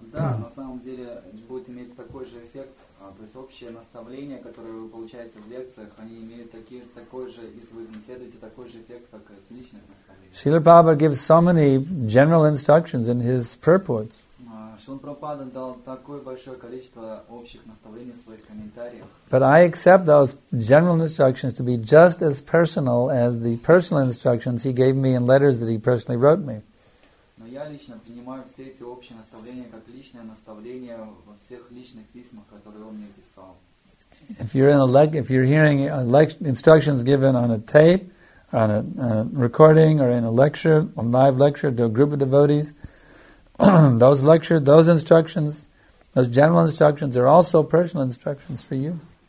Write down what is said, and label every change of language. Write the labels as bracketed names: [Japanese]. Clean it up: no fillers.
[Russian] Да, на самом деле будет иметь такой же эффект. То есть общие наставления, которые вы получаете в лекциях, они имеют такой же, если вы наследуете такой же эффект, как от личных наставлений. [English] Шрила Прабхупада gives so many general instructions in his purports. [Russian] Шрила Прабхупада дал такое большое количество общих наставлений в своих комментариях. [English] But I accept those general instructions to be just as personal as the personal instructions he gave me in letters that he personally wrote me. [Russian] Я лично принимаю все эти общие наставления как личное наставление во всех личных письмах, которые он мне писал. [English] If you're in a if you're hearing a instructions given on a tape, on a recording, or in a lecture, a live lecture to a group of devotees, those lectures, those instructions, those general instructions are also personal instructions for you.